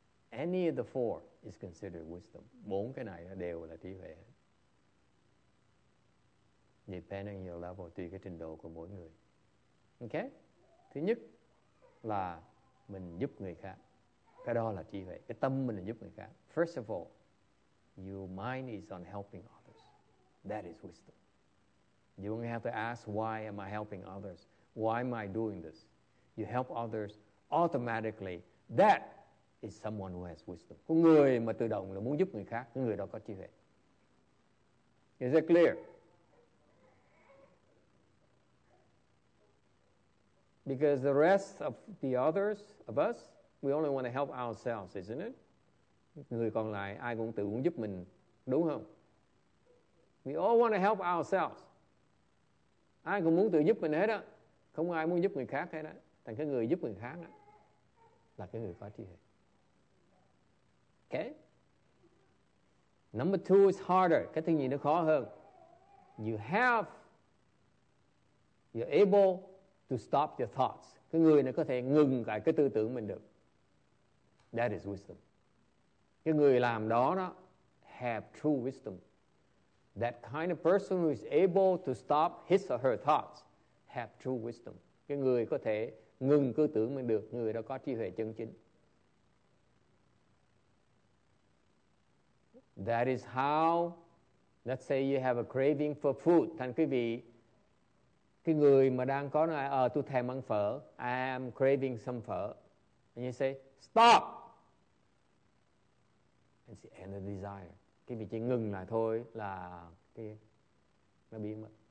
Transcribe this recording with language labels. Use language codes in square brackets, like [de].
[en] Any of the four is considered wisdom. [vi] Bốn cái này đều là trí huệ. [en] Depending on your level, [vi] tùy cái trình độ của mỗi người. Okay? Thứ nhất là mình giúp người khác. Cái đó là trí huệ. Cái tâm mình là giúp người khác. [en] First of all, your mind is on helping others. That is wisdom. You only have to ask, why am I helping others? Why am I doing this? You help others automatically. That is someone who has wisdom. [vi] Có người mà tự động là muốn giúp người khác, người đó có trí huệ. [en] Is it clear? Because the rest of the others, of us, we only want to help ourselves, isn't it? [vi] Người còn lại, ai cũng tự muốn giúp mình, đúng không? [en] We all want to help ourselves. [vi] Ai cũng muốn tự giúp mình hết á. Không ai muốn giúp người khác hết á. Thành cái người giúp người khác á, là cái người có trí huệ. Okay. [en] Number two is harder. [vi] Cái thứ nhì nó khó hơn. [en] You're able to stop your thoughts. [vi] Cái người này có thể ngừng lại cái tư tưởng mình được. [en] That is wisdom. [vi] Cái người làm đó [en] have true wisdom. That kind of person who is able to stop his or her thoughts have true wisdom. [vi] Cái người có thể ngừng tư tưởng mình được, người đó có trí huệ chân chính. [en] That is how, let's say you have a craving for food. [vi] Thành quý vị, cái người mà đang có nói, tôi thèm ăn phở, [en] I am craving some phở. And you say, stop! And it's the end of the desire. [vi] Quý vị chỉ ngừng lại thôi là cái nó biến mất.